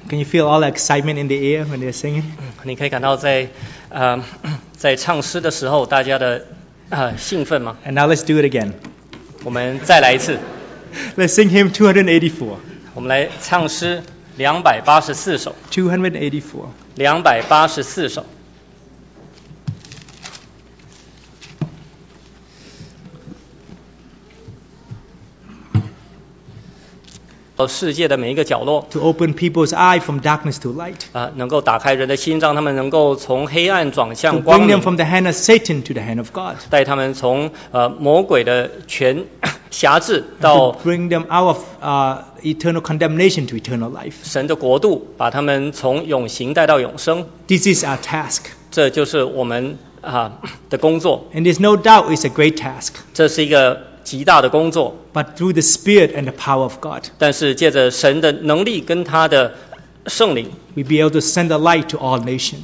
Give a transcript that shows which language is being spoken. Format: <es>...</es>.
<en>Can you feel all the excitement in the air when they're singing?</en> <zh>你可以感到在在唱诗的时候大家的兴奋吗？</zh> <en>And now let's do it again.</en> <zh>我们再来一次。</zh> <en>Let's sing hymn 284.</en> <zh>我们来唱诗284首。</zh> <en>284.</en> <zh>284首。世界的每一个角落</zh> <en>to open people's eye from darkness to light</en> <zh>能够打开人的心让他们能够从黑暗转向光明</zh> <en>to bring them from the hand of Satan to the hand of God</en> <zh>带他们从魔鬼的权辖制到</zh> <en>to bring them out of eternal condemnation to eternal life</en> <zh>神的国度把他们从永刑带到永生</zh> <en>this is our task</en> <zh>这就是我们的工作</zh> <en>and there's no doubt it's a great task</en> <zh>这是一个极大的工作</zh> <en>but through the spirit and the power of God</en> <zh>但是借着神的能力跟他的圣灵</zh> <en>we'll be able to send the light to all nations</en>